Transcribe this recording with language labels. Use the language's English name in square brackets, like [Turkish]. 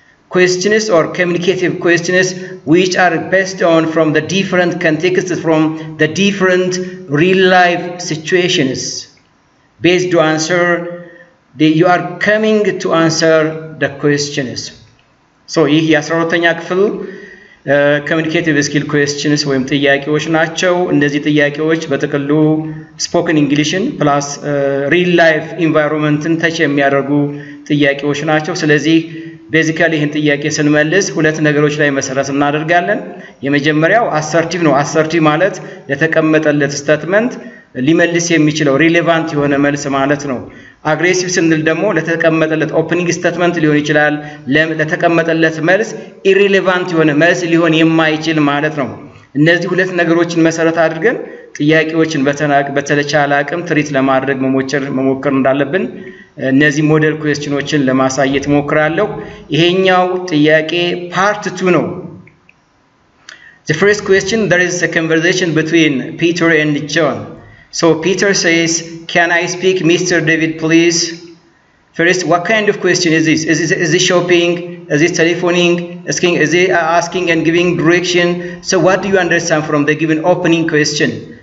[English] Questions or communicative questions which are based on from the different contexts, from the different real life situations. Based to answer, you are coming to answer the questions. [Amharic] So, ይህ የ12ኛ ክፍል [English] communicative skill questions [Amharic] ወይም ጥያቄዎች ናቸው. እነዚህ ጥያቄዎች በተቀሉ [English] spoken English plus real life environment touch [Amharic] የሚያደርጉ ጥያቄዎች ናቸው. ስለዚህ basically ይህን ጥያቄ ስንመልስ ሁለት ነገሮች ላይ መሰረት እናደርጋለን. የመጀመሪያው assertive ነው. assertive ማለት ለተቀመጠለት statement ሊመልስ የሚችለው relevant የሆነ መልስ ማለት ነው. aggressive ስንል ደግሞ ለተቀመጠለት opening statement ሊሆን ይችላል. ለተቀመጠለት መልስ irrelevant የሆነ መልስ ሊሆን የማይችል ማለት ነው. እነዚህ ሁለት ነገሮችን መሰረት አድርገን ጥያቄዎችን በተቻለ አቅም ትሪት ለማድረግ መሞከር እንዳለብን እነዚህ ሞዴል ኩዌስቸኖችን ለማሳየት ሞክራለሁ. ይሄኛው ጥያቄ ፓርት 2 ነው. [English] The first question, there is a conversation between Peter and John. So Peter says, "Can I speak Mr. David, please?" First, what kind of question is this? Is this shopping? Is this telephoning? Is he asking and giving direction? So what do you understand from the given opening question?